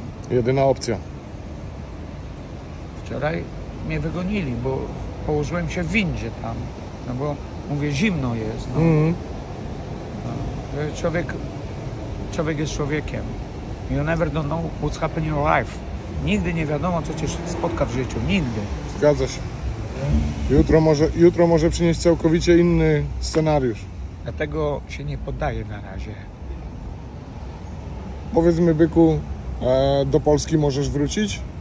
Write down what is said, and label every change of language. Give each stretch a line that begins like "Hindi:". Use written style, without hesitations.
Polish: Jedyna opcja. Wczoraj mnie wygonili, bo położyłem się w windzie tam. No bo mówię, zimno jest. No. Mm-hmm. No, człowiek jest człowiekiem.
English: You never don't know what's happening in your life.
Polish: Nigdy nie wiadomo, co cię spotka w życiu. Nigdy. Zgadza się. Jutro może przynieść całkowicie inny scenariusz. Dlatego się nie poddaję na razie. Powiedzmy, byku, do Polski możesz wrócić?